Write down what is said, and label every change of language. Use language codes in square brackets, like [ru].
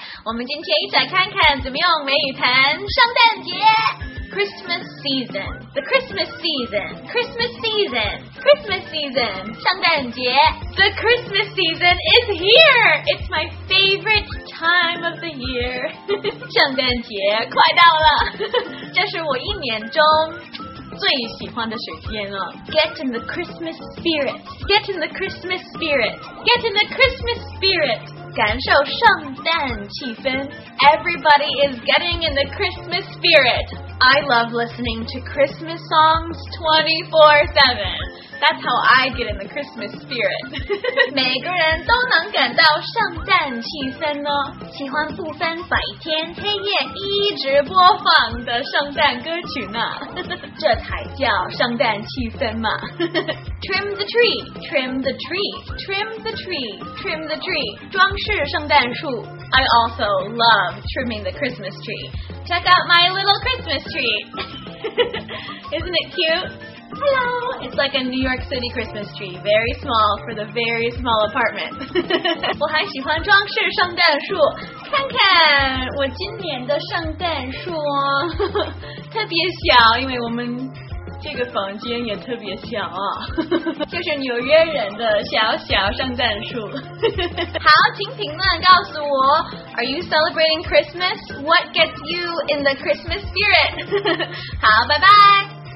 [zh] 我们今天一起来看看怎么用美语谈圣诞节。 [en] Christmas season, the Christmas season, Christmas season, Christmas season, [zh] 圣诞节。 [en] The Christmas season is here. It's my favorite time of the year. [zh] 圣诞节快到了，这是我一年中最喜欢的时间了。 [en] Get in the Christmas spirit. Get in the Christmas spirit. Get in the Christmas spirit. [zh] 感受圣诞气氛。 [en] Everybody is getting in the Christmas spirit. I love listening to Christmas songs 24/7. That's how I get in the Christmas spirit. [zh] 每个人都能感到圣诞气氛呢。喜欢不分白天黑夜一直播放的圣诞歌曲呢。这才叫圣诞气氛嘛。 [en] Trim the tree, trim the tree, trim the tree, trim the tree, [zh] 装饰圣诞树。 [en] I also love trimming the Christmas tree. Check out my little Christmas tree. Isn't it cute? Hello! It's like a New York City Christmas tree. Very small for the very small apartment. [zh] 我还喜欢装饰圣诞树。看看我今年的圣诞树哦。特别小，因为我们这个房间也特别小啊。就是纽约人的小小圣诞树。好，请评论告诉我， [en] Are you celebrating Christmas? What gets you in the Christmas spirit? [zh] 好，拜拜。